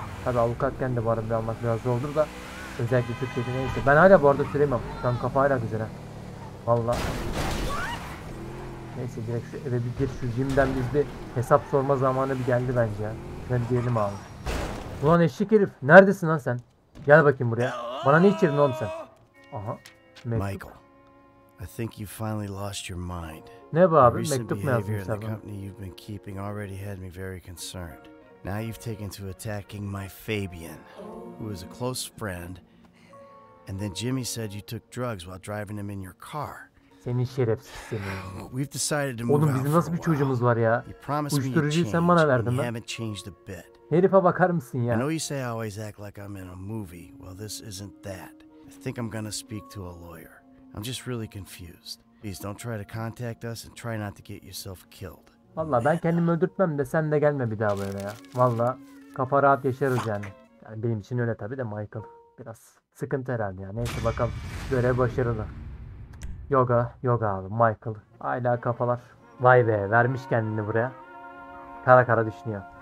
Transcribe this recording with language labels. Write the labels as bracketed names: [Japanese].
[Turkish] Tabi avukatken de bu arada almak biraz zor olur da. Özellikle Türkiye'de neyse. Ben hala bu arada süremem. Tam kafa hala güzel ha. Valla. Neyse direkt şu eve bir gir. Şu jimden biz bir hesap sorma zamanı bir geldi bence ya. Şöyle diyelim abi. Ulan eşek herif. Neredesin lan sen? Gel bakayım buraya. Bana ne içirdin oğlum sen? Aha. Mektup. Michael. [English] I think you finally lost your mind. [Turkish] Ne bu abi? Mektup mu yazmış abi? [English] The company you've been keeping already had me very concerned. Now you've taken to attacking my Fabian, who is a close friend. And then Jimmy said you took drugs while driving him in your car. [Turkish] Senin şerefsiz seni. [English] We've decided to move [Turkish] oğlum bizim nasıl bir çocuğumuz var ya? Uyuşturucuyu sen bana verdin lan. Herife bakar mısın ya? [English] I know you say I always act like I'm in a movie. Well, this isn't that. I think I'm gonna speak to a lawyer. I'm just really confused. Please don't try to contact us and try not to get yourself killed. [Turkish] Valla ben kendimi öldürtmem de sen de gelme bir daha böyle ya. Valla kafa rahat yaşarız yani. Yani benim için öyle tabii de Michael. Biraz sıkıntı herhalde ya. Neyse bakalım. Görev başarılı. Yoga. Yoga abi. Michael. Hala kafalar. Vay be. Vermiş kendini buraya. Kara kara düşünüyor.